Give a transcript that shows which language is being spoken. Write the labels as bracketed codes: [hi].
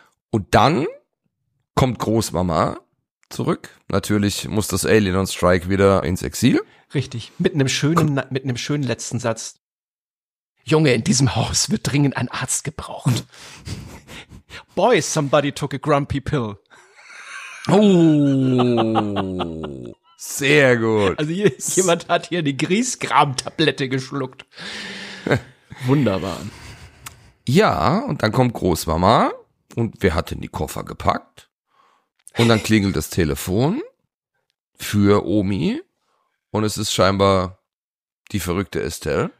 [de] Und dann kommt Großmama zurück. Natürlich muss das Alien on Strike wieder ins Exil. Richtig, mit einem schönen letzten Satz. Junge, in diesem Haus wird dringend ein Arzt gebraucht. [en] Boy, somebody took a grumpy pill. [de] Oh, sehr gut. Also jemand hat hier eine Griesgram-Tablette geschluckt. Wunderbar. Ja, und dann kommt Großmama und wer hat denn die Koffer gepackt? Und dann klingelt das Telefon für Omi und es ist scheinbar die verrückte Estelle.